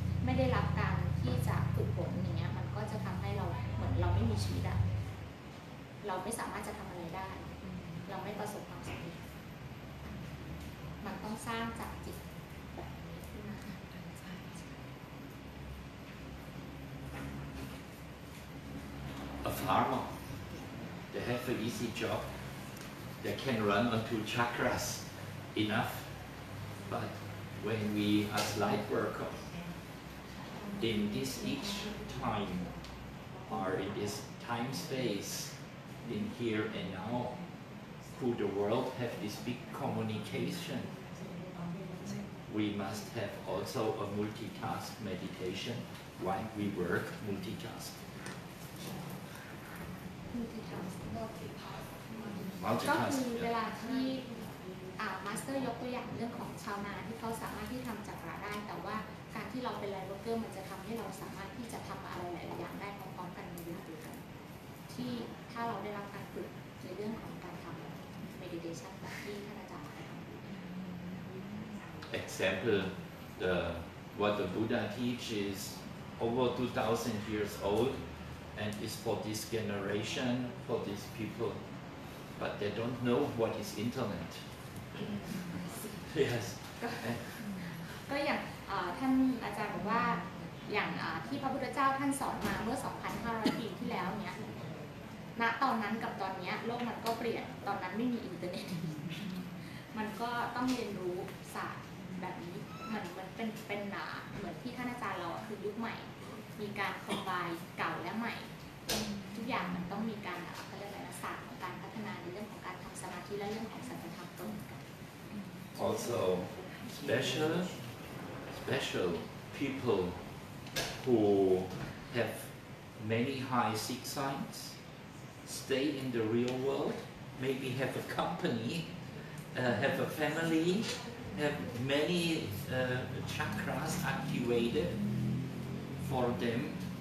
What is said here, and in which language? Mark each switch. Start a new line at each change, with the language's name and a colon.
Thai: ได้รับการที่จะฝึกฝนอย่างเงี้ยมันก็จะทำให้เราเหมือนเราไม่มีชีวิตอะเราไม่สามารถจะทำอะไรได้เราไม่ประสบความสำเร็จมันต้องสร้างจากจิต นะ
English: A farmer they have an easy job they can run on two chakras enough but when we as light worker in this each time or in this time space in here and now through the world have this big communicationWe must have also a multitask meditation while we work multitask. Multitask.
Thai: ก็คือเวลาที่มาสเตอร์ยกตัวอย่างเรื่องของชาวนาที่เขาสามารถที่ทำจักระได้แต่ว่าการที่เราเป็นไลฟ์เวิร์กเกอร์มันจะทำให้เราสามารถที่จะทำอะไรหลายอย่างได้พร้อมๆกันในเวลาเดียวกันที่ถ้าเราได้รับการฝึกในเรื่องของการทำเมดิเทชันแบบที่
English: Example, what the Buddha teaches over 2,000 years old and is for this generation, for these people. But they don't know what is internet. Yes.
Thai: ก็อย่างท่านอาจารย์บอกว่าอย่างที่พระพุทธเจ้าท่านสอนมาเมื่อ 2,500 ปีที่แล้วเนี่ยณตอนนั้นกับตอนนี้โลกมันก็เปลี่ยนตอนนั้นไม่มีอินเทอร์เน็ตมันก็ต้องเรียนรู้ศาสตร์แบบนี้มันเป็นหนาเหมือนที่ท่านอาจารย์เราคือยุคใหม่มีการคอมไบเก่าและใหม่ทุกอย่างมันต้องมีการเขาเรียกอะไรศาสตร์ของการพัฒนาในเรื่องของการทำสมาธิและเรื่องของสัจธรรมตรงกัน
English: also special people who have many high six signs stay in the real world maybe have a company have a familyHave many chakras activated for them.